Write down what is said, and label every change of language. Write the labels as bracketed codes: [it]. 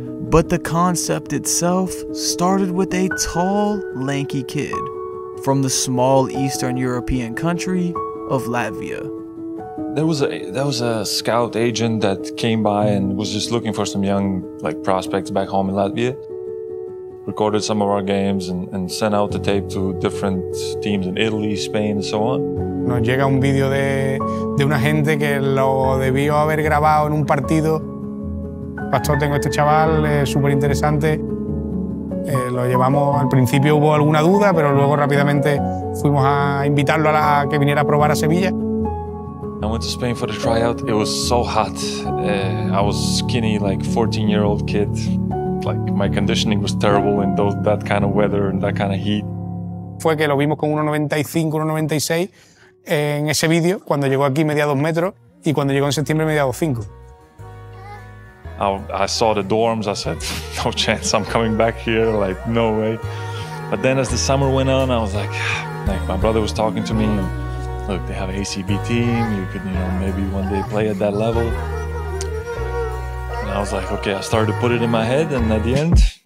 [en] But the concept itself started with a tall, lanky kid from the small Eastern European country of Latvia. There was a scout agent that came by and was just looking for some young like prospects back home in Latvia. Recorded some of our games and sent out the tape to different teams in Italy, Spain, and so on. [es] Nos llega un video de una gente que lo debió haber grabado en un partido. Pastor, tengo este chaval, súper interesante. Lo llevamos, al principio hubo alguna duda, pero luego rápidamente fuimos a invitarlo a que viniera a probar a Sevilla. [en] I went to Spain for the tryout. It was so hot. I was skinny, like 14-year-old kid. Like, my conditioning was terrible in that kind of weather and that kind of heat. [es] Fue que lo vimos con 1.95, 1.96 en ese vídeo, cuando llegó aquí medía 2 metros, y cuando llegó en septiembre medía 2.5. [en] I saw the dorms, I said, no chance, I'm coming back here, like, no way. But then as the summer went on, I was like, my brother was talking to me, look, they have an ACB team, you could, you know, maybe one day play at that level. And I was like, okay, I started to put it in my head, and at the end...